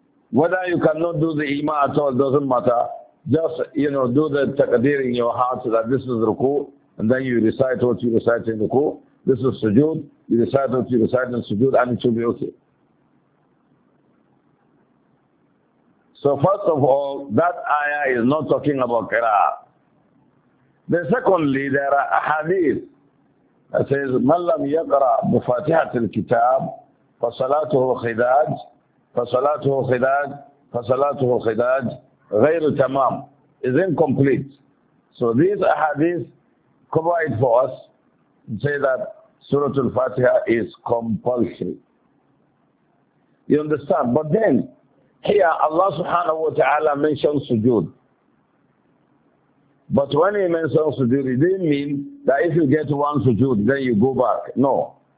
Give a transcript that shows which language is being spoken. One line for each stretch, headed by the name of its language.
English: Whether you cannot do the imam at all, doesn't matter. Just, you know, do the takdir in your heart so that this is ruku, and then you recite what you recite in ruku. This is sujood, you recite what you recite in sujood, and it should be okay. So first of all, that ayah is not talking about qira'ah. Then secondly, there are ahadith that says,
Arabic: مَنْ لَمْ يَقْرَى بُفَاتِحَةِ الْكِتَابِ فَصَلَاتُهُ خِدَاجِ فَصَلَاتُهُ خِدَاجِ فَصَلَاتُهُ خِدَاجِ غَيْرُ تَمَامُ
English: is incomplete. So these ahadith provide for us and say that Surah Al-Fatiha is compulsory. You understand? But then, here, Allah subhanahu wa ta'ala mentions sujood. But when he mentions sujood, he didn't mean that if you get one sujood, then you go back. No.